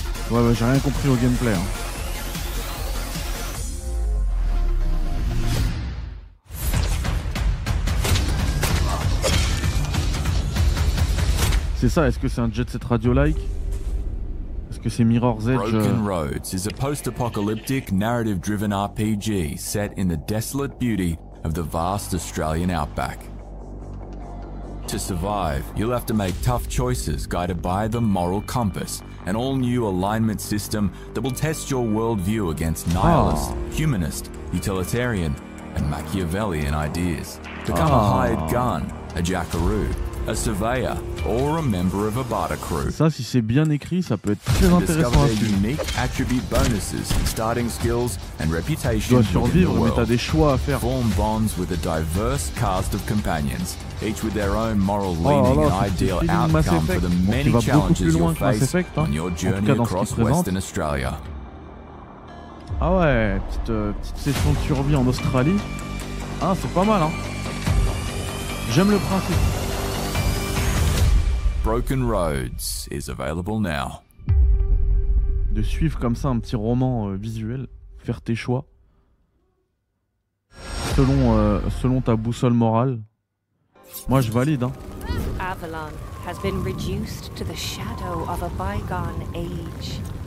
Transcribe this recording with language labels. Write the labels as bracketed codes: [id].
[fr] Ouais, bah, j'ai rien compris au gameplay. Hein. C'est ça, est-ce que c'est un Jet Set Radio-like? Est-ce que c'est Mirror's Edge? [en] Broken Roads is a post-apocalyptic, narrative-driven RPG set in the desolate beauty of the vast Australian outback. To survive, you'll have to make tough choices guided by the Moral Compass, an all-new alignment system that will test your worldview against nihilist, humanist, utilitarian, and Machiavellian ideas. Become a hired gun, a jackaroo, a surveyor, or a member of a barter crew. [fr] Ça, si c'est bien écrit, ça peut être très intéressant. [en] Discover their unique attribute bonuses, starting skills, and reputation. [fr] Tu dois survivre, mais t'as des choix à faire. [en] Form bonds with a diverse cast of companions, each with their own moral leaning [fr] là, [en] and ideal outcome for the many challenges you face effect, on your journey [fr] cas, [en] across Western Australia. [fr] Ah ouais, petite session de survie en Australie. Ah, c'est pas mal, hein. J'aime le principe. [en] Broken Roads is available now. [fr] De suivre comme ça un petit roman visuel, faire tes choix selon ta boussole morale. Moi, je valide. Hein. [en] Avalon has been reduced to the shadow of a bygone age.